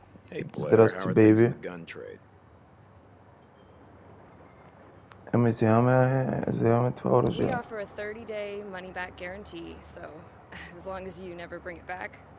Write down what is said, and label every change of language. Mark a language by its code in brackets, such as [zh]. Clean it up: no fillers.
[en] Hey, Blair, how are things in the gun trade? [bg] Ами, вземаме това оръжие. [en] We offer a 30-day money-back guarantee, so as long as you never bring it back.